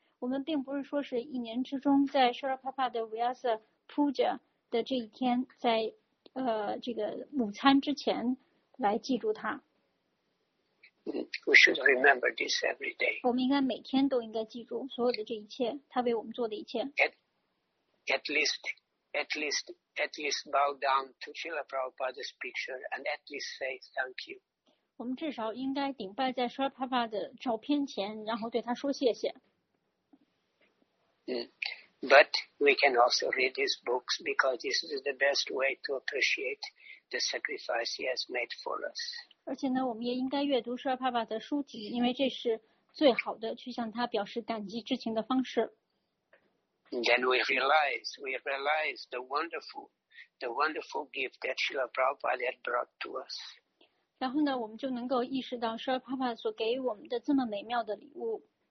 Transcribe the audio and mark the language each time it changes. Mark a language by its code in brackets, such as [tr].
[zh] 我们并不是说是一年之中在 Srila Prabhupada 的 Vyasa Puja 的这一天，在这个午餐之前来记住它。 [en] We should remember this every day. [zh] 我们应该每天都应该记住所有的这一切，他为我们做的一切。 [en] At least bow down to Srila Prabhupada's picture and at least say thank you. [zh] 我们至少应该顶拜在 Srila Prabhupada 的照片前，然后对他说谢谢。 [en] But we can also read his books because this is the best way to appreciate the sacrifice he has made for us. [zh] 而且呢，我们也应该阅读舍尔帕帕的书籍，因为这是最好的去向他表示感激之情的方式。 [en] Then we realize the wonderful gift that Srila Prabhupada had brought to us. [zh] 然后呢，我们就能够意识到舍尔帕帕所给我们的这么美妙的礼物。